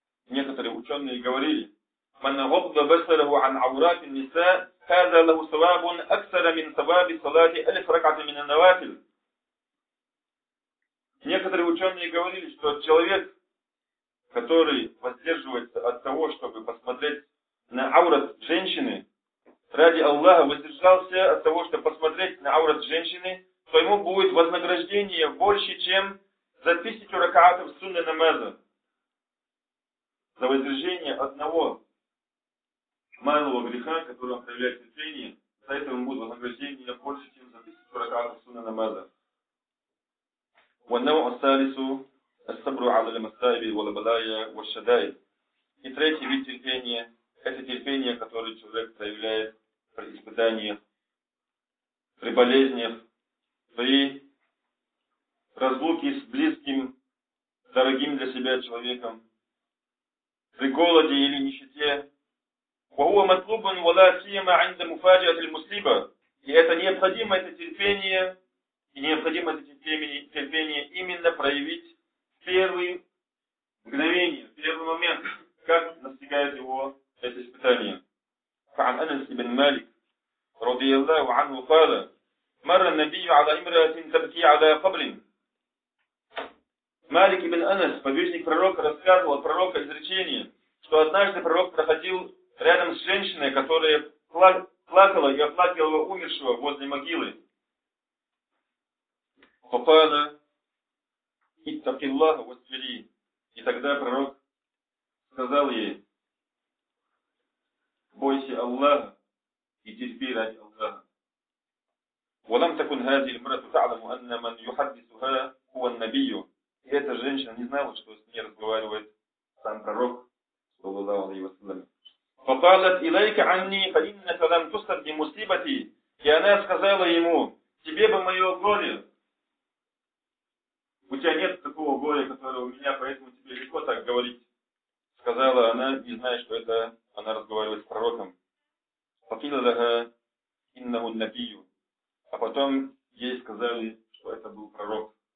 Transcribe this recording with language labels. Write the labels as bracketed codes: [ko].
[ru] Некоторые ученые говорили: [ar] من غض بصره عن عورات النساء هذا له ثواب أكثر من ثواب صلاة ألف ركعة من النوافل. [ru] Некоторые ученые говорили, что человек, который воздерживается от того, чтобы посмотреть на аурат женщины, ради Аллаха воздержался от того, чтобы посмотреть на аурат женщины, то ему будет вознаграждение больше, чем за 1000 ракаатов сунны намаза. За воздержание одного малого греха, который он проявляет терпение, за это ему будет вознаграждение больше, чем за 1000 ракаатов сунны намаза. [ar] وَنَّوْ أَسَّالِسُ الصبر على المصائب والبلايا والشدائد. [ru] И третий вид терпения – это терпение, которое человек проявляет при испытаниях, при болезнях, при разлуке с близким, дорогим для себя человеком, при голоде или нищете. [ar] وَهُوَ مَطْلُوبٌ وَلَا سِيَمَا عِنْدَ مُفَاجَةِ الْمُسْلِمَ. [ru] И это необходимо, это терпение, и необходимо это терпение именно проявить первые мгновения, первый момент, как настигает его это испытание. [ar] فعن أنس بن مالك رضي الله عنه قال: مر النبي على امرأة تبكي على قبر. [ru] Малик ибн Анас, подвижник пророка, рассказывал пророка изречение, что однажды пророк проходил рядом с женщиной, которая плакала и оплакивала умершего возле могилы. [ar] Попала اتق الله واستغفري. [ru] И тогда пророк сказал ей: бойся Аллаха и терпи ради Аллаха. [ar] ولم تكن هذه المرأة تعلم أن من يحدثها هو النبي. [ru] И эта женщина не знала, что с ней разговаривает сам пророк, [ar] صلى الله عليه وسلم. فقالت إليك عني فإنك لم تصب بمصيبتي. [ru] И она сказала ему: тебе бы мое горе. У тебя нет такого горя, которое у меня, поэтому тебе легко так говорить. Сказала она, не зная, что это она разговаривает с пророком. [ar] Факила лага иннаху набию. [ru] А потом ей сказали, что это был пророк.